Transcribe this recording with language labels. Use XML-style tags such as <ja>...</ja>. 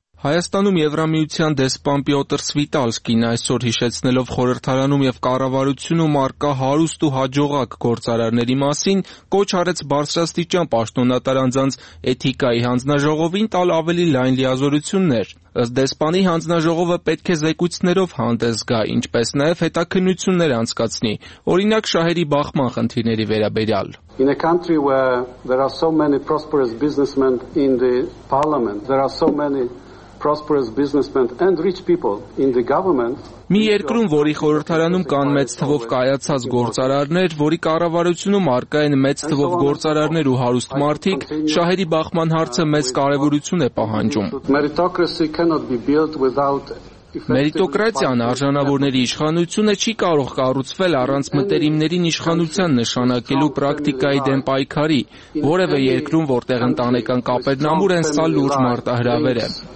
<hy>Հայաստանում Եվրամիության դեսպան Պյոտր Սվիտալսկին այսօր հիշեցնելով խորհրդարանում և կառավարությունում առկա հարուստ ու հաջողակ գործարարների մասին, կոչ արեց բարձրաստիճան պաշտոնատար անձանց էթիկայի հանձնաժողովին տալ ավելի լայն լիազորություններ։ Ըստ դեսպանի, հանձնաժողովը պետք է զեկույցներով հանդես գա, ինչպես նաև հետաքննություններ անցկացնի, օրինակ շահերի բախման խնդիրների վերաբերյալ։</hy> <en>In a country where there are so many prosperous businessmen in the parliament, there are so many prosperous businessmen and rich people in the government.</en> <hy>Մի երկրում, որի խորհրդարանում կան մեծ թվով կայացած գործարարներ, որի կառավարությունում առկա են մեծ թվով գործարարներ ու հարուստ մարդիկ, շահերի բախման հարցը մեծ կարևորություն է պահանջում.</hy> <en>Meritocracy cannot be built without</en> <hy>Մերիտոկրատիան արժանավորների իշխանությունը չի կարող կառուցվել առանց մտերիմներին իշխանության նշանակելու պրակտիկայի դեմ պայքարի, որևէ երկրում, որտեղ ընտանեկան կապերն ամուր են, սա լուրջ մարտահրավեր է։</hy>